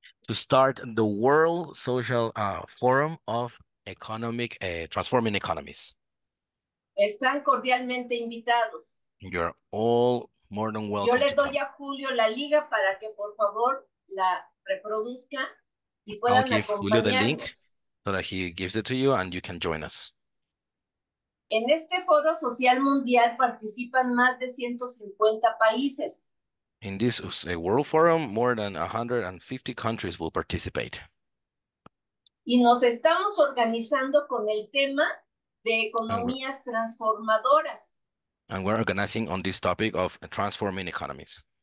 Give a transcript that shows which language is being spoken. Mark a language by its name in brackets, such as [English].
[English] To start the World Social Forum of Economic Transforming Economies. [Spanish] Están cordialmente invitados. [English] You're all more than welcome. [Spanish] Yo le doy [English] come. [Spanish] A Julio la liga para que por favor la reproduzca y puedan [English] I'll give Julio the link so that he gives it to you and you can join us. [Spanish] En este Foro Social Mundial participan más de 150 países. [English] In this World Forum, more than 150 countries will participate. [Spanish] Y nos estamos organizando con el tema de economías transformadoras. [English] And we're organizing on this topic of transforming economies.